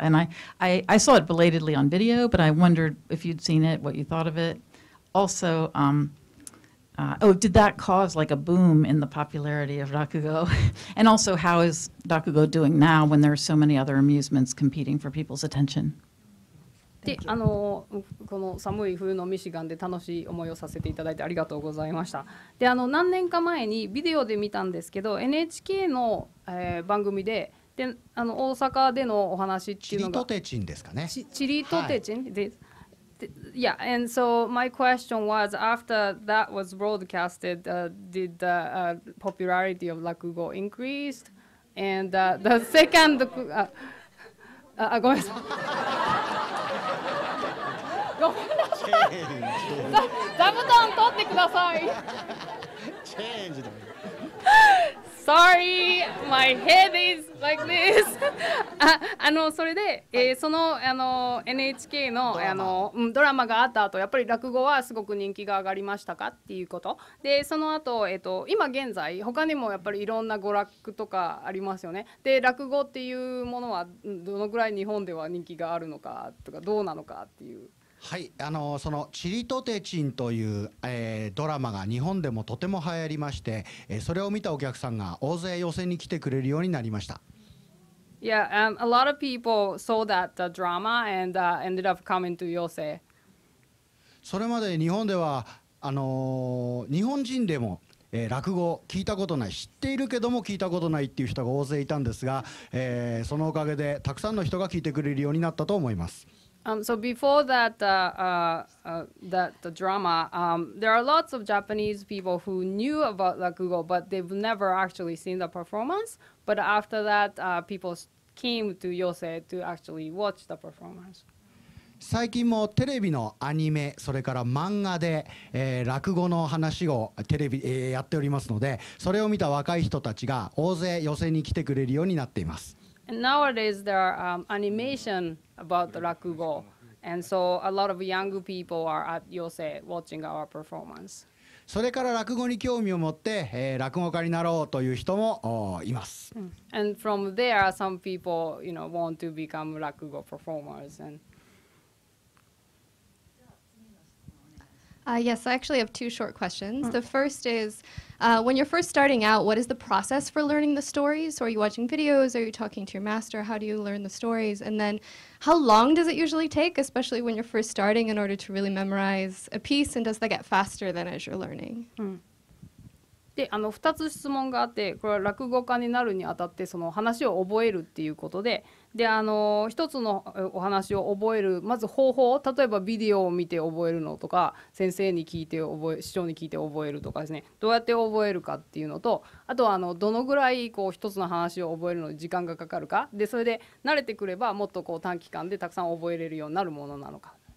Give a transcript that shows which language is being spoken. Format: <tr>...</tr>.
<en>And I saw it belatedly on video, but I wondered if you'd seen it, what you thought of it. Also,did that cause like a boom in the popularity of Rakugo? And also, how is Rakugo doing now when there are so many other amusements competing for people's attention?</en> <ja>で、あのこの寒い冬のミシガンで楽しい思いをさせていただいてありがとうございました。で、あの何年か前にビデオで見たんですけど、 NHK の、番組でで、あの大阪でのお話っていうのがチリとてちんですかね。チリとてちん、はい、です。</ja> <en>Yeah, and so my question was, after that was broadcasted, did the popularity of rakugo increased? And the second,</en> <ja>ごめんなさい。ごめんなさい。座布団取ってください。</ja> <en>Change. Sorry, my head is like this.</en> <ja>あのそれで、はい、そ の, あの NHK の, ド ラ, あの、うん、ドラマがあった後、やっぱり落語はすごく人気が上がりましたかっていうこと。で、その後、今現在、他にもやっぱりいろんな娯楽とかありますよね。で、落語っていうものはどのぐらい日本では人気があるのかとか、どうなのかっていう。はい、あのそのチリとてちんという、ドラマが日本でもとても流行りまして、それを見たお客さんが大勢寄せに来てくれるようになりました。</ja> <en>Yeah, a lot of people saw that the drama and ended up coming to 寄せ。</en> <ja>それまで日本では日本人でも、落語聞いたことない、知っているけども聞いたことないっていう人が大勢いたんですが、そのおかげでたくさんの人が聞いてくれるようになったと思います。</ja> <en>So before that, that the drama, there are lots of Japanese people who knew about rakugo, but they've never actually seen the performance. But after that, people came to yose to actually watch the performance.</en> <ja>最近もテレビのアニメ、それから漫画で、落語の話をテレビ、やっておりますので、それを見た若い人たちが大勢寄せに来てくれるようになっています。</ja> <en>And nowadays there are animation about the rakugo, and so a lot of young people are at yose watching our performance.</en> <ja>それから落語に興味を持って、落語家になろうという人もいます。</ja> <en>And from there, some people, you know, want to become rakugo performers. And yes, I actually have two short questions. The first is, when you're first starting out, what is the process for learning the stories? So are you watching videos? Are you talking to your master? How do you learn the stories? And then how long does it usually take, especially when you're first starting, in order to really memorize a piece? And does that get faster than as you're learning?</en> <ja>で、あの2つ質問があって、これは落語家になるにあたってその話を覚えるっていうことで、で、あの一つのお話を覚える、まず方法、例えばビデオを見て覚えるのとか、先生に聞いて覚え、師匠に聞いて覚えるとかですね、どうやって覚えるかっていうのと、あとはあのどのぐらいこう一つの話を覚えるのに時間がかかるかで、それで慣れてくればもっとこう短期間でたくさん覚えれるようになるものなのか。</ja>